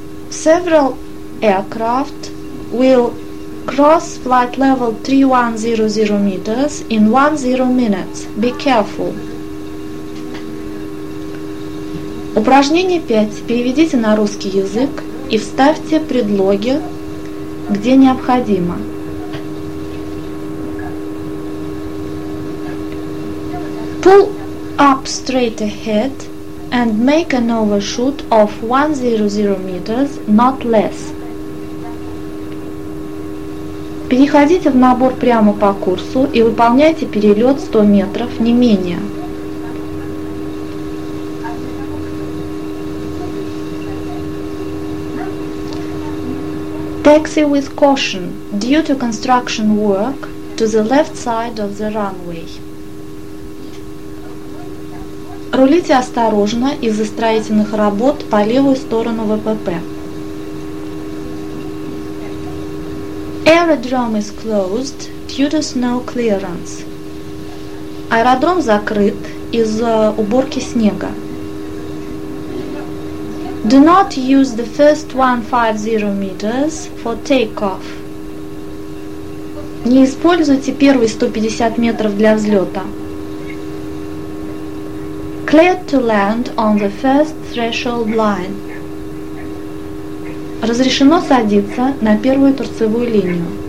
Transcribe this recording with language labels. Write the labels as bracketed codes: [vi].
[en] Several aircraft will cross flight level 3100 meters in 10 minutes. Be careful. [ru] Упражнение 5. Переведите на русский язык и вставьте предлоги, где необходимо. [en] Pull up straight ahead and make an overshoot of 100 meters, not less. [ru] Переходите в набор прямо по курсу и выполняйте перелет 100 метров, не менее. [en] Taxi with caution due to construction work to the left side of the runway. [ru] Рулите осторожно из-за строительных работ по левую сторону ВПП. [en] Aerodrome is closed due to snow clearance. [ru] Аэродром закрыт из-за уборки снега. [en] Do not use the first 150 meters for takeoff. [ru] Не используйте первые 150 метров для взлета. [en] Cleared to land on the first threshold line. [ru] Разрешено садиться на первую торцевую линию.